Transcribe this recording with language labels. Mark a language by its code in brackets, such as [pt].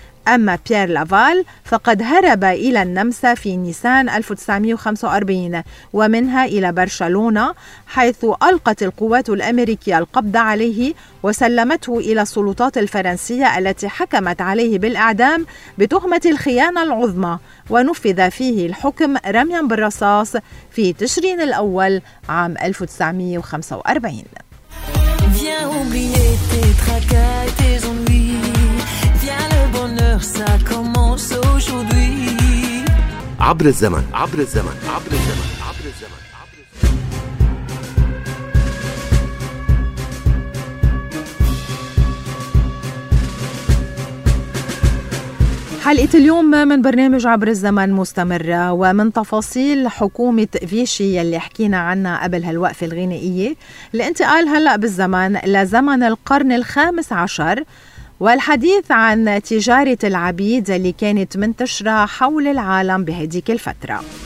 [ar] أما بيير لافال فقد هرب إلى النمسا في نيسان 1945 ومنها إلى برشلونة، حيث ألقت القوات الأمريكية القبض عليه وسلمته إلى السلطات الفرنسية التي حكمت عليه بالإعدام بتهمة الخيانة العظمى، ونفذ فيه الحكم رميا بالرصاص في تشرين الأول عام 1945. [fr] Viens oublier tes tracas et tes ennuis. Viens le bonheur, ça commence aujourd'hui. [ar] عبر الزمن عبر الزمن عبر الزمن عبر الزمن. حلقة اليوم من برنامج عبر الزمن مستمرة، ومن تفاصيل حكومة فيشي يلي حكينا عنها قبل هالوقفة الغنائية، الانتقال هلأ بالزمن لزمن القرن الخامس عشر، والحديث عن تجارة العبيد اللي كانت منتشرة حول العالم بهديك الفترة.